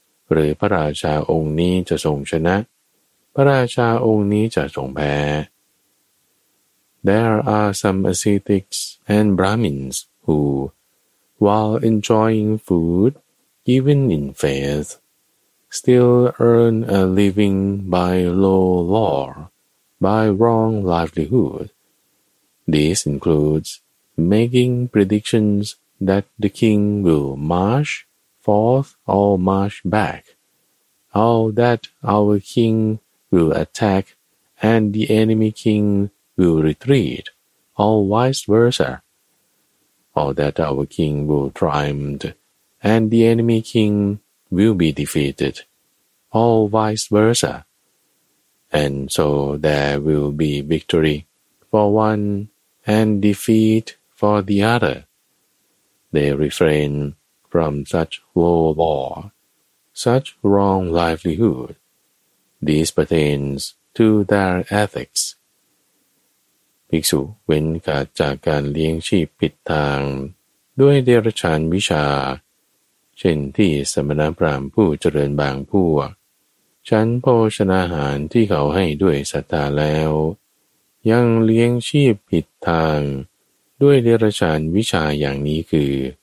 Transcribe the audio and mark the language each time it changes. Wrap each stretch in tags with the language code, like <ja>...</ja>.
<th>หรือพระราชาองค์นี้จะทรงชนะพระราชาองค์นี้จะทรงแพ้</th> <en>There are some ascetics and Brahmins whoWhile enjoying food, even in faith, still earn a living by low law, by wrong livelihood. This includes making predictions that the king will march forth or march back, or that our king will attack and the enemy king will retreat, or vice versa. Or that our king will triumph, and the enemy king will be defeated, or vice versa. And so there will be victory for one and defeat for the other. They refrain from such low law, such wrong livelihood. This pertains to their ethics.</en> <th>ภิกษุเว้นขาดจากการเลี้ยงชีพผิดทางด้วยเดรัจฉานวิชาเช่นที่สมณพราหมณ์ผู้เจริญบางพวกฉันโภชนาหารที่เขาให้ด้วยศรัทธาแล้วยังเลี้ยงชีพผิดทางด้วยเดรัจฉานวิชาอย่างนี้คือ</th>